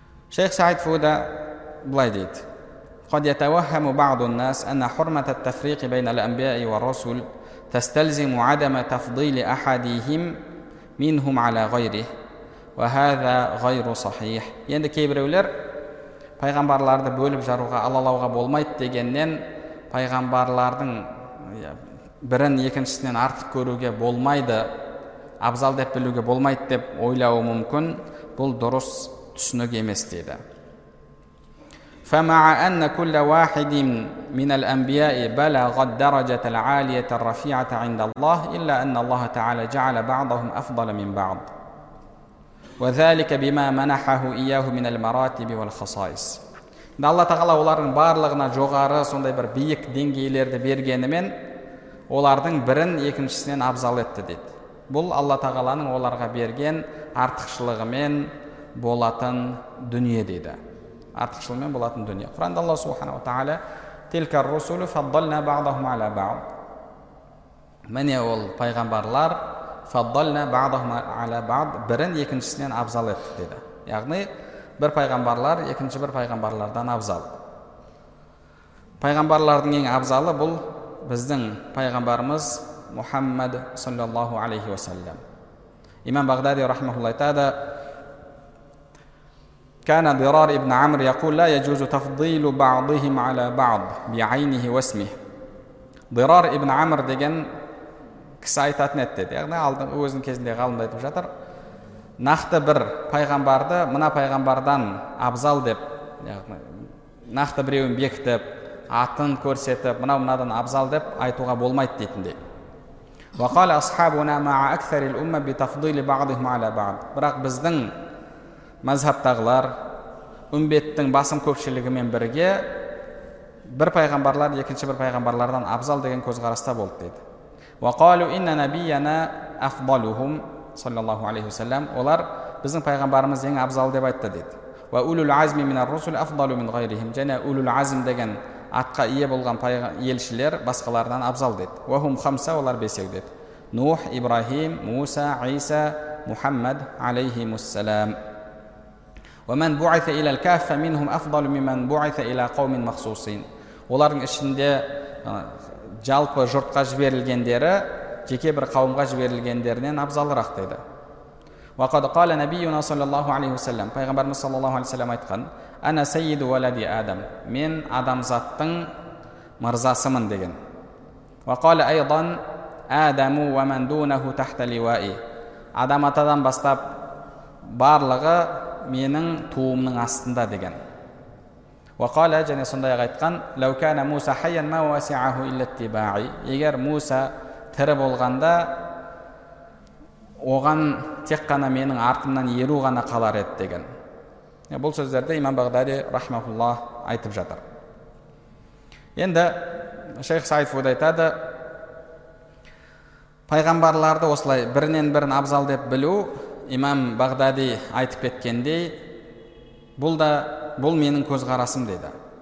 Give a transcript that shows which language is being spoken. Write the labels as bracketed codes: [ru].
[kk] Шейх Саид Фуда былай дейді: [ar] قد يتوهم بعض الناس أن حرمة التفريق بين الأنبياء والرسل تستلزم عدم تفضيل أحدهم منهم على غيره وهذا غير صحيح. [kk] Енді кейбіреулер пайғамбарларды бөліп жаруға, алалауға болмайды дегеннен пайғамбарлардың бірін екіншісінен артық көруге болмайды, абзал деп білуге болмайды деп ойлауы мүмкін. Бұл дұрыс түсінік емес дейді. [ar] فمع أن كل واحد من الأنبياء بلغ الدرجة العالية الرفيعة عند الله إلا أن الله تعالى جعل بعضهم أفضل من بعض وذلك بما منحه إياه من المراتب والخصائص. [kk] الله تعالى олардың барлығына жоғары сондай бір биік деңгейлерді бергенімен олардың бірін екіншісінен абзал етті деді. Бұл Алла Тағаланың оларға берген артықшылығымен болатын дүние деді. Артықшылығымен болатын дүние. Құранда Алла субханаху тағала: [ar] "Тилка ар-русулу фаддална ба'дахум аля ба'д". [kk] Міне ол пайғамбарлар, [ar] фаддална ба'дахум аля ба'д, [kk] бірін екіншісінен абзал етті деді. Яғни бір пайғамбарлар екінші бір пайғамбарлардан абзал. Пайғамбарлардың ең абзалы бұл біздің пайғамбарымыз Мухаммед саллаллаху алейхи ва саллям. [ar] Имам Бағдади рахмаһуллаһ тааля كان ضرار ابن عمرو يقول لا يجوز تفضيل بعضهم على بعض بعينه واسمه. [kk] ضرار ابن عمرو деген кісі айтатын еді. Яғни алдын өзінің кезінде ғалымда айтып жатыр. Нақты бір пайғамбарды мына пайғамбардан абзал деп, яғни нақты біреуін бекітіп, атын көрсетіп, мынадан абзал деп айтуға болмайды дейтінде. [ar] وقال اصحابنا مع اكثر الامه بتفضيل بعضهم على بعض. [kk] Бірақ біздің мазхабтағылар үмбеттің басым көпшілігімен бірге бір пайғамбарлар екінші бір пайғамбарлардан абзал деген көзқараста болды деді. [ar] وقالوا ان نبينا افضلهم صلى الله عليه وسلم. [kk] Олар біздің пайғамбарымыз ең абзал деп айтты деді. [ar] واولو العزم من الرسل افضل من غيرهم. [kk] Және اولو العزم деген атқа ие болған елшілер басқалардан абзал деді. [ar] وهم خمسه. [kk] Олар бесеу деді. [ar] نوح ابراهيم موسى عيسى محمد عليه السلام. ومن بعث الى الكهف منهم افضل ممن بعث الى قوم مخصوصين. [kk] олардың ішінде жалпы жұртқа жіберілгендері жеке бір қауымға жіберілгендерінен абзалырақ деді. [ar] وقد قال نبينا صلى الله عليه وسلم. [kk] пайғамбарымыз [ar] صلى الله عليه وسلم [kk] айтқан: [ar] انا سيد ولد ادم. [kk] Мен адамзаттың мырзасымын деген. [ar] وقال ايضا ادم ومن دونه تحت لوائي. [kk] адам атадан бастап барлығы менің туымның астында деген. [ar] وقاله [kk] және сондай айтқан: [ar] لو كان موسى حيا ما وسعه الا اتباعي. [kk] егер Муса тірі болғанда оған тек қана менің артымнан еру ғана қалар еді деген. Бұл сөздерді имам Бағдади рахмаһуллаһ айтып жатыр. Енді шейх Саид Фуда айтады: пайғамбарларды осылай бірінен бірін абзал деп білу, имам Бағдади айтып кеткендей, бұл менің көзқарасым деді.